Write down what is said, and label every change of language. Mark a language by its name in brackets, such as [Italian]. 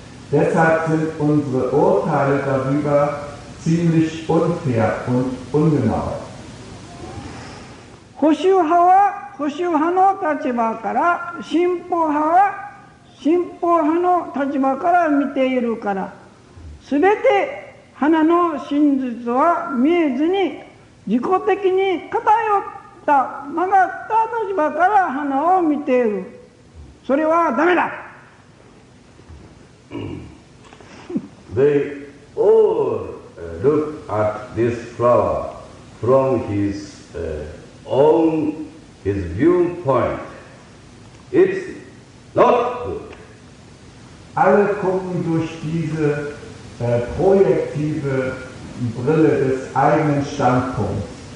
[German] Deshalb sind unsere Urteile darüber ziemlich unfair und ungenau. [Japanese] 保守派は保守派の立場から、進歩派は進歩派の立場から見ているから、すべて花の真実は見えずに自己的に偏った曲がった立場から花を見ている。それはダメだ。 [English] They all look at this flower from his own his viewpoint, It's not good. [German] Alle gucken durch diese projektive Brille des eigenen Standpunkts.